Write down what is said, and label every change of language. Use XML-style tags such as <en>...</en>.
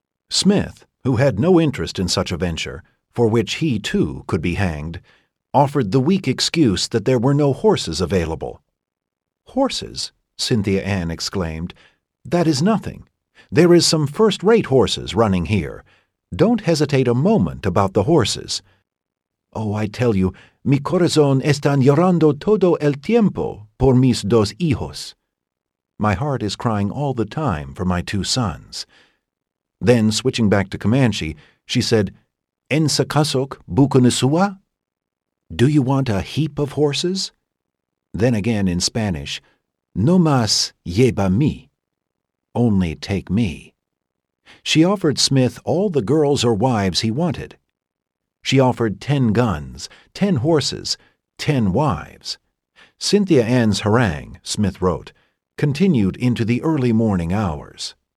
<en>Smith, who had no interest in such a venture, for which he, too, could be hanged, offered the weak excuse that there were no horses available. "Horses?" Cynthia Ann exclaimed. "That is nothing. There is some first-rate horses running here. Don't hesitate a moment about the horses." "Oh, I tell you,</en> <es>mi corazón está llorando todo el tiempo por mis dos hijos.</es> <en>My heart is crying all the time for my two sons." Then, switching back to Comanche, she said,</en> <com>"En sacasok bukunisua?"</com> <en>"Do you want a heap of horses?" Then again in Spanish,</en> <es>"No más lleva mí."</es> <en>"Only take me." She offered Smith all the girls or wives he wanted. She offered 10 guns, 10 horses, 10 wives. Cynthia Ann's harangue, Smith wrote, continued into the early morning hours.</en>